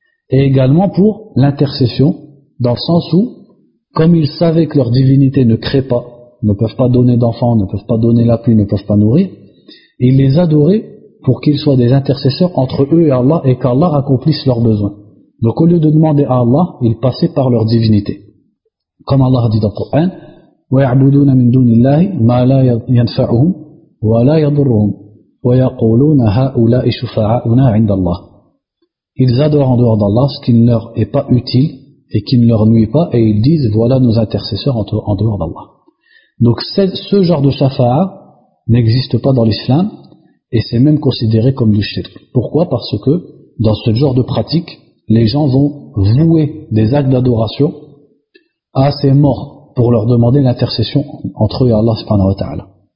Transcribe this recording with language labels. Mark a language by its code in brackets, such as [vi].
[fr] Et également pour l'intercession, dans le sens où, comme ils savaient que leur divinité ne crée pas, ne peuvent pas donner d'enfants, ne peuvent pas donner la pluie, ne peuvent pas nourrir, ils les adoraient pour qu'ils soient des intercesseurs entre eux et Allah et qu'Allah accomplisse leurs besoins. Donc au lieu de demander à Allah, ils passaient par leur divinité. Comme Allah a dit dans le Coran, [ar] وَيَعْبُدُونَ مِنْ دُونِ اللَّهِ مَا لَا يَنْفَعُهُمْ وَلَا يَضُرُّهُمْ وَيَقُولُونَ هَؤُلَاءِ شُفَعَاؤُنَا عِنْدَ اللَّهِ. [fr] Ils adorent en dehors d'Allah ce qui ne leur est pas utile et qui ne leur nuit pas, et ils disent voilà nos intercesseurs en dehors d'Allah. Donc ce genre de shafa'a n'existe pas dans l'islam et c'est même considéré comme du shirk. Pourquoi? Parce que dans ce genre de pratique, les gens vont vouer des actes d'adoration à ces morts pour leur demander l'intercession entre eux et Allah subhanahu wa ta'ala.